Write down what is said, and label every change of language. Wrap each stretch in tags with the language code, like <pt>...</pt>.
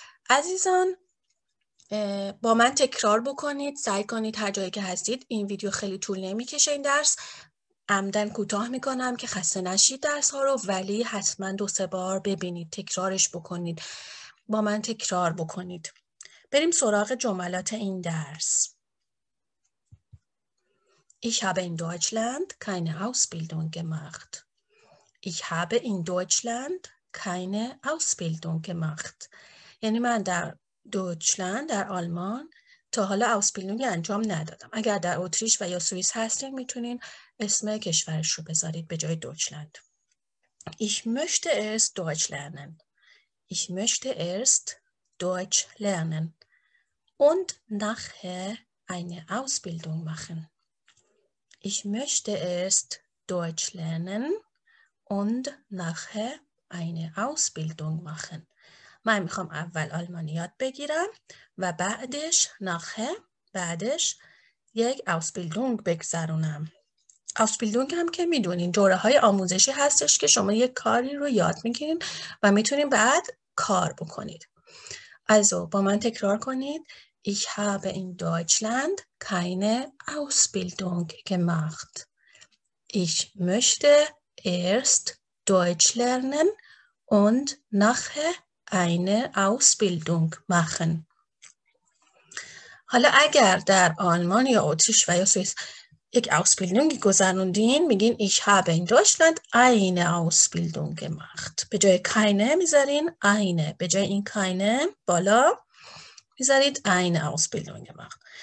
<fa>عزیزان با من تکرار بکنید، سعی کنید هر جایی که هستید. این ویدیو خیلی طول نمیکشه، این درس عمدن کوتاه میکنم که خسته نشید درس ها رو، ولی حتما دو سه بار ببینید، تکرارش بکنید، با من تکرار بکنید. بریم سراغ جملات این درس.</fa> <de>Ich habe in Deutschland keine Ausbildung gemacht. Ich habe in Deutschland keine Ausbildung gemacht.</de> <fa>یعنی من در دوتشلند، در آلمان، تا حالا اوسپیلدونگ انجام ندادم. اگر در اتریش و یا سوئیس هستین میتونین اسم کشورش رو بذارید به جای دوتشلند.</fa> <de>Ich möchte erst Deutsch lernen. Ich möchte erst Deutsch lernen. Und nachher eine Ausbildung machen. Ich möchte erst Deutsch lernen und nachher eine Ausbildung machen.</de> <fa>من میخوام اول آلمانی یاد بگیرم و بعدش نخه بعدش یک اوسبیلدونگ بگذرونم. اوسبیلدونگ هم که میدونین دوره های آموزشی هستش که شما یک کاری رو یاد میگیرین و میتونین بعد کار بکنید.</fa> <de>Also</de> <fa>با من تکرار کنید.</fa> <de>Ich habe in Deutschland keine Ausbildung gemacht. Ich möchte erst Deutsch lernen und nachher eine Ausbildung machen.</de> <fa>حالا اگر در آلمان یا اتریش و یا سوئیس یک اوسپیلدونگ گذروندین، میگین</fa> <de>ich habe in Deutschland eine Ausbildung gemacht.</de> <fa>به جای keine میذارین eine، به جای این keine بالا میذارید</fa> <de>eine Ausbildung gemacht.</de>